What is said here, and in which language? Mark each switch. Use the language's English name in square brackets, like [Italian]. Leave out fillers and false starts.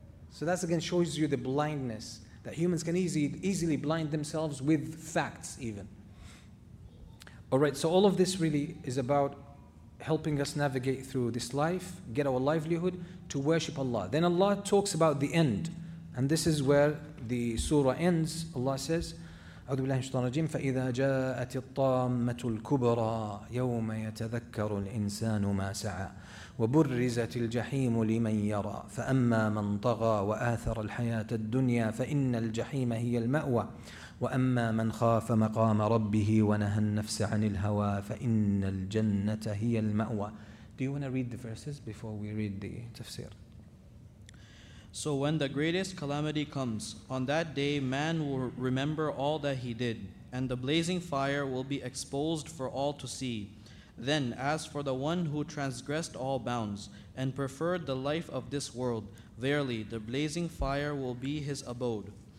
[English] So that again shows you the blindness that humans can easily blind themselves with facts even. All right, so all of this really is about helping us navigate through this life, get our livelihood, to worship Allah. Then Allah talks about the end. And this is where the surah ends. [Arabic] Allah says, أعوذ بالله من الشيطان الرجيم فإذا جاءت الطامة الكبرى يوم يتذكر الإنسان ما سعى وبرزت الجحيم لمن يرى فأما من طغى وآثر الحياة الدنيا فإن الجحيم هي المأوى وأما من خاف مقام ربه ونهى النفس عن الهوى فإن الجنة هي المأوى. [English] Do you want to read the verses before we read the tafsir? So when the greatest calamity comes, on that day man will remember all that he did, and the blazing fire will be exposed for all to see. Then, as for the one who transgressed all bounds and preferred the life of this world, verily the blazing fire will be his abode.